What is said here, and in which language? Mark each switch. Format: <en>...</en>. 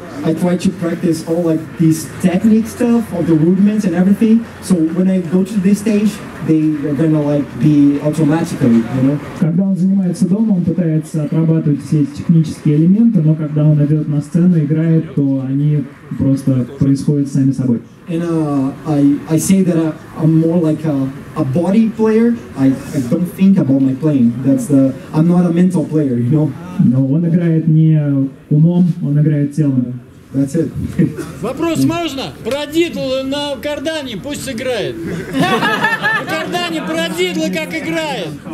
<en>I try to practice all like these technique stuff, all the movements and everything. So when I go to this stage, they are gonna like be automatically, you know.</en> <ru>Когда он занимается дома, он пытается отрабатывать все эти технические элементы, но когда он идет на сцену играет, то они просто происходят сами собой.</ru> <en>And I say that I'm more like a body player. I don't think about my playing. I'm not a mental player, you know.</en> <ru>No, он играет не умом, он играет телом.</ru> <en>That's it.</en> <ru>Вопрос можно? Продидл на кардане, пусть играет. На кардане продидл как играет.</ru>